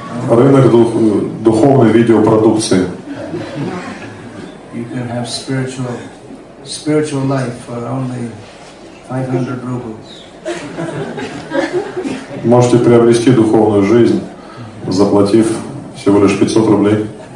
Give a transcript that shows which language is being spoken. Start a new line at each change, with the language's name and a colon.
Russian: Рынок духовной видеопродукции.
English: You can have spiritual life for only 500 rubles.
Russian: Можете приобрести духовную жизнь, заплатив всего лишь 500 рублей.